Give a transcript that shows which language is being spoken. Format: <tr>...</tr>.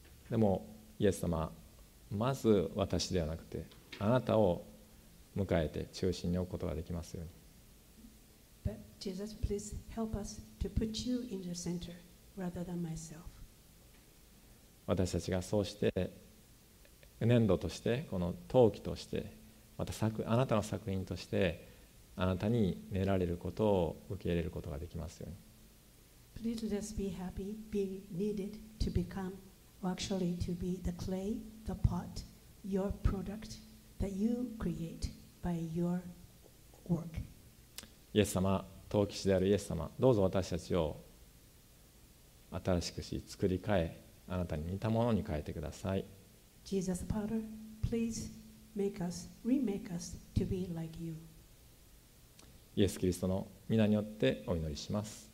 <ja>でもイエス様、まず私ではなくてあなたを迎えて中心に置くことができますように。</ja> <en>But Jesus, please help us to put you in the center rather than myself.</en> <ja>私たちがそうして粘土として、この陶器として、またあなたの作品として、あなたに練られることを受け入れることができますように。</ja> <en>Please let us be happy, be needed to become, or actually to be the clay, the pot, your product that you create by your work.</en> <ja>イエス様、陶器師であるイエス様、どうぞ私たちを新しくし、作り変え、あなたに似たものに変えてください。</ja> <en>Jesus Potter, please make us, remake us to be like you.</en> <ja>イエス・キリストの御名によってお祈りします。</ja>